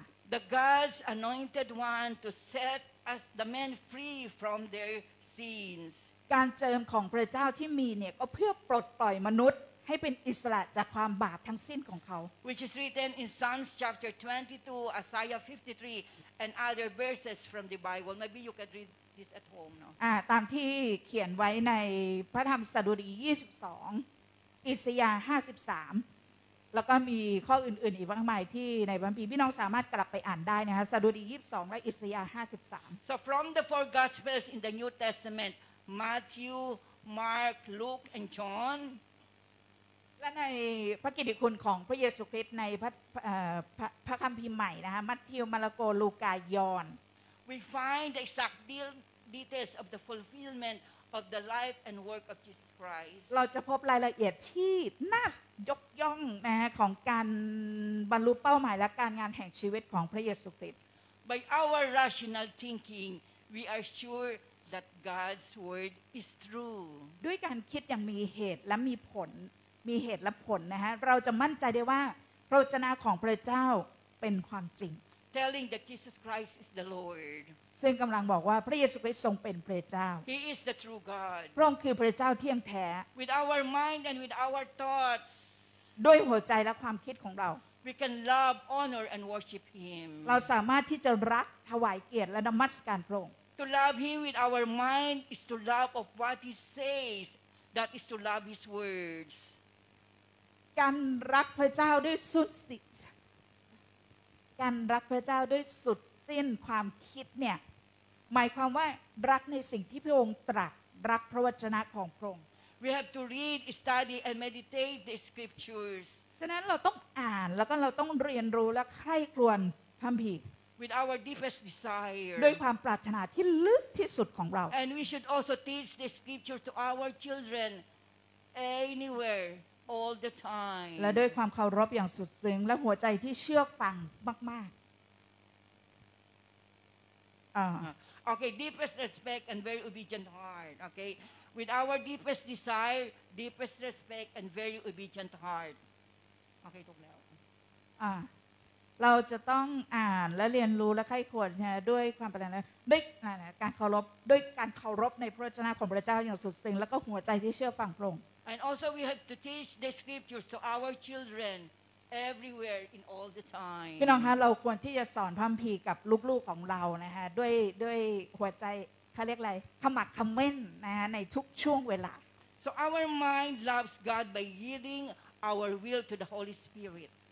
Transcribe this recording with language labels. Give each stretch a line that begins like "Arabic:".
English: The God's anointed one to set us the men free from their sins
Thai: การเจิมของพระเจ้าที่มีเนี่ยก็เพื่อปลดปล่อยมนุษย์ให้เป็นอิสระจากความบาปทั้งสิ้นของเขา
English: Which is written in Psalms chapter 22 Isaiah 53 and other verses from the Bible maybe you can read this at home no
Thai: ตามที่เขียนไว้ในพระธรรมสดุดี22อิสยาห์53แล้วก็มีข้ออื่นๆอีกมากมายที่ในบัพีพี่น้องสามารถกลับไปอ่านได้นะคะสดุดี22และอิสยาห์53
English: So from the four gospels in the New Testament Matthew Mark Luke and John
Thai: และในพระกิตติคุณของพระเยซูคริสต์ในพระคัมภีร์ใหม่นะคะมัทธิวมาระโกลูกายอน
English: We find the exact details of the fulfillment of the life and work of Jesus Christ
Thai: เราจะพบรายละเอียดที่น่ายกย่องนะฮะของการบรรลุเป้าหมายและการงานแห่งชีวิตของพระเยซูคริสต์
English: By our rational thinking we are sure that God's word is true
Thai: ด้วยการคิดอย่างมีเหตุและมีผลมีเหตุและผลนะฮะเราจะมั่นใจได้ว่าพระวจนะของพระเจ้าเป็นความจริง
English: Telling that Jesus Christ is the Lord
Thai: ซึ่งกำลังบอกว่าพระเยซูคริสต์ทรงเป็นพระเจ้า
English: He is the true God
Thai: พระองค์คือพระเจ้าเที่ยงแท้
English: With our mind and with our thoughts
Thai: ด้วยหัวใจและความคิดของเรา
English: We can love honor and worship him
Thai: เราสามารถที่จะรักถวายเกียรติและนมัสการพระองค์
English: To love him with our mind is to love of what he says that is to love his words
Thai: การรักพระเจ้าด้วยสุดสิการรักพระเจ้าด้วยสุดสิ้นความคิดเนี่ยหมายความว่ารักในสิ่งที่พระองค์ตรัสรักพระวจนะของพระองค์
English: We have to read, study, and meditate the scriptures
Thai: ฉะนั้นเราต้องอ่านแล้วก็เราต้องเรียนรู้และใคร่ครวญพระคัมภีร์
English: With our deepest desire
Thai: ด้วยความปรารถนาที่ลึกที่สุดของเรา
English: And we should also teach the scripture to our children anywhere. All the time.
Thai: และด้วยความเคารพอย่างสุดซึ้งและหัวใจที่เชื่อฟังมาก
English: ๆ Okay, deepest respect and very obedient heart. Okay, with our deepest desire, deepest respect and very obedient heart.
Thai: Okay, จบแล้ว เราจะต้องอ่านและเรียนรู้และใคร่ครวญนะด้วยความปรารถนาด้วยการเคารพด้วยการเคารพในพระวจนะของพระเจ้าอย่างสุดซึ้งและก็หัวใจที่เชื่อฟังพระองค์
English: And also we have to teach the scriptures to our children everywhere in all the time
Thai: พี่น้องคะเราควรที่จะสอนพระคัมภีร์กับลูกๆของเรานะฮะด้วยหัวใจเขาเรียกอะไรขมักขม้นนะฮะในทุกช่วงเวลา
English: So our mind loves God by yielding our will to the Holy Spirit